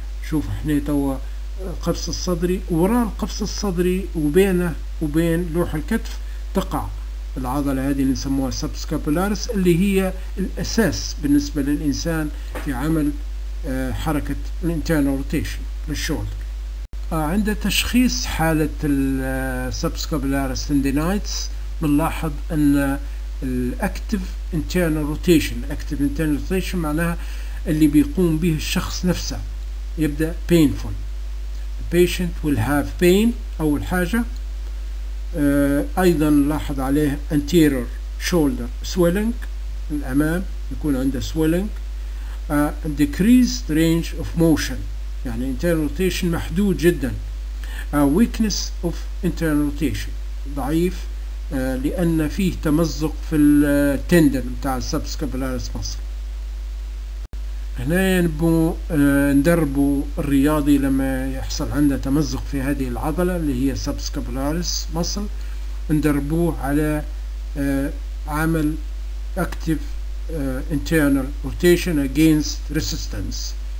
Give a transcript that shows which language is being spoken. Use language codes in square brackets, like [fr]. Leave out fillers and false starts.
[ar] شوف احنا توا القفص الصدري، وراء القفص الصدري وبينه وبين لوح الكتف تقع العضلة هذه اللي نسموها سبسكابولاريس اللي هي الأساس بالنسبة للإنسان في عمل حركة الانترنال روتيشن للشولدر. عند تشخيص حالة السبسكابولاريس تندينايتس بنلاحظ أن الأكتف انترنال روتيشن، أكتف انترنال روتيشن معناها اللي بيقوم به الشخص نفسه يبدأ [en] painful. The patient will have pain [ar] أول حاجة. أيضا نلاحظ عليه [en] anterior shoulder swelling، [ar] الأمام يكون عنده [en] swelling. Decreased range of motion [ar] يعني [en] internal rotation [ar] محدود جدا. [en] Weakness of internal rotation [ar] ضعيف لأن فيه تمزق في التندن بتاع [en] subscapularis muscle. [ar] هنا نبو ندربوا الرياضي لما يحصل عنده تمزق في هذه العضلة اللي هي [en] subscapularis muscle، [ar] ندربوه على عمل [en] active internal rotation against resistance.